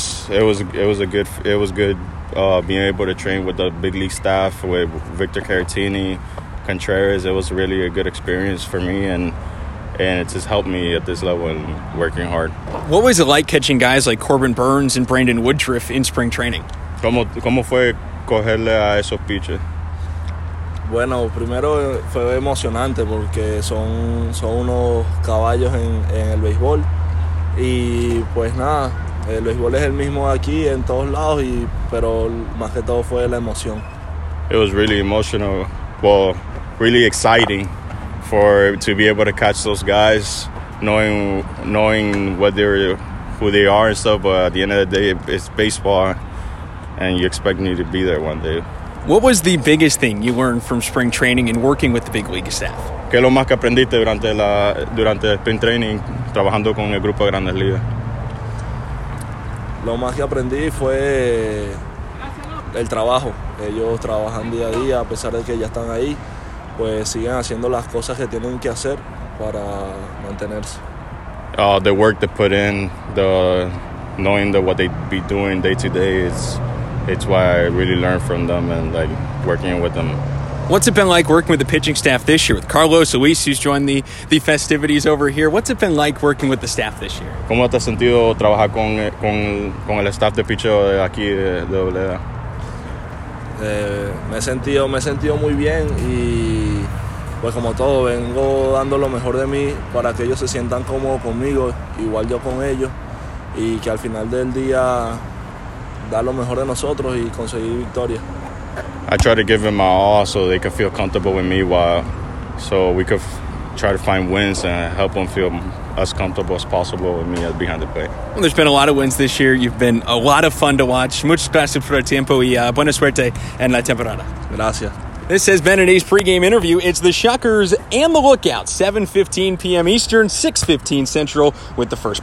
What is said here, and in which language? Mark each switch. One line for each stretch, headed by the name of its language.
English: It was good being able to train with the big league staff, with Victor Caratini, Contreras. It was really a good experience for me, and it just helped me at this level and working hard. What was it like catching guys like Corbin Burnes and Brandon Woodruff in spring training?
Spanish: ¿Cómo fue cogerle a esos pitches? Bueno, primero fue emocionante porque son unos caballos en el béisbol. Y pues nada, el béisbol es el mismo aquí en todos lados, pero más que todo fue la emoción.
English: It was really emotional, well, really exciting to be able to catch those guys, knowing what they're, who they are and stuff, but at the end of the day, it's baseball, and you expect me to be there one day. What was the biggest thing you learned from spring training and working with the big league staff?
Spanish: ¿Qué es lo más que aprendiste durante el spring training trabajando con el grupo de Grandes Ligas? Lo más que aprendí fue el trabajo. Ellos trabajan día a día, a pesar de que ya están ahí, pues siguen haciendo las cosas que tienen que hacer para mantenerse.
English: The work they put in, the knowing that what they be doing day to day, it's why I really learned from them and like working with them. What's it been like working with the pitching staff this year? With Carlos Luis, who's joined the festivities over here. What's it been like working with the staff this year?
Spanish: ¿Cómo te has sentido trabajar con el staff de picheo aquí de AA? Me he sentido muy bien y pues como todo, vengo dando lo mejor de mí para que ellos se sientan cómodos conmigo, igual yo con ellos. y que al final del día dar lo mejor de nosotros y conseguir victoria.
English: I try to give them my all so they can feel comfortable with me while so we could try to find wins and help them feel as comfortable as possible with me as behind the plate. Well, there's been a lot of wins this year. You've been a lot of fun to watch.
Spanish: Muchas gracias por el tiempo y buena suerte en la temporada. Gracias.
English: This has been today's pregame interview. It's the Shuckers and the Lookout, 7:15 p.m. Eastern, 6:15 Central with the first.